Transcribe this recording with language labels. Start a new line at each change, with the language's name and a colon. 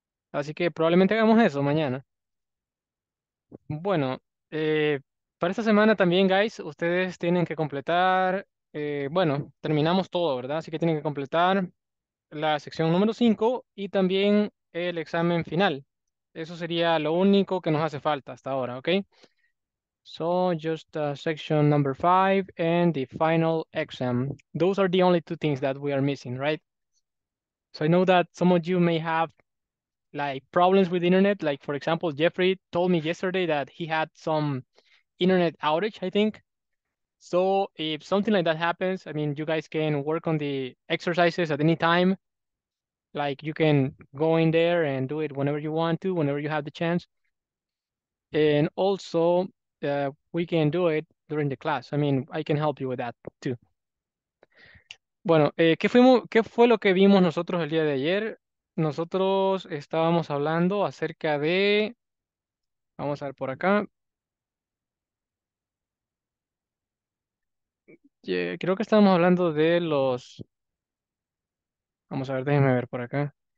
Spanish: Así que probablemente hagamos eso mañana. Bueno, para esta semana también, guys, ustedes tienen que completar, bueno, terminamos todo, ¿verdad? Así que tienen que completar la sección número 5 y también el examen final. Eso sería lo único que nos hace falta hasta ahora, ¿ok?
English: So, just section number 5 and the final exam. Those are the only two things that we are missing, right? So, I know that some of you may have like problems with the internet. Like, for example, Jeffrey told me yesterday that he had some internet outage, I think. So, if something like that happens, I mean, you guys can work on the exercises at any time. Like, you can go in there and do it whenever you want to, whenever you have the chance. And also, we can do it during the class. I mean, I can help you with that too.
Spanish: Bueno, ¿qué fue lo que vimos nosotros el día de ayer? Nosotros estábamos hablando acerca de, vamos a ver por acá. Creo que estábamos hablando de los, vamos a ver, déjenme ver por acá.